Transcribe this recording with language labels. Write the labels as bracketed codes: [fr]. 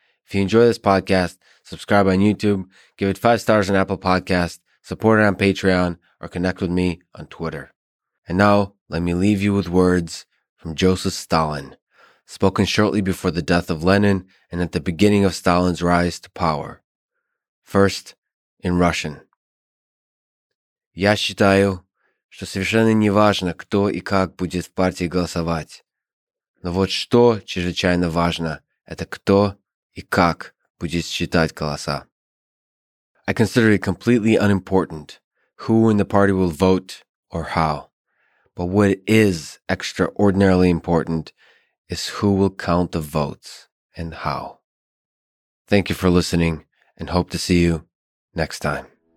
[en] If you enjoy this podcast, subscribe on YouTube, give it 5 stars on Apple Podcasts, support it on Patreon, or connect with me on Twitter. And now, let me leave you with words from Joseph Stalin, spoken shortly before the death of Lenin and at the beginning of Stalin's rise to power. First, in Russian. [ru] Я считаю, что совершенно не важно, кто и как будет в партии голосовать. Но вот что чрезвычайно важно, это кто и как будет считать голоса. [en] I consider it completely unimportant who in the party will vote or how. But what is extraordinarily important is who will count the votes and how. Thank you for listening and hope to see you next time.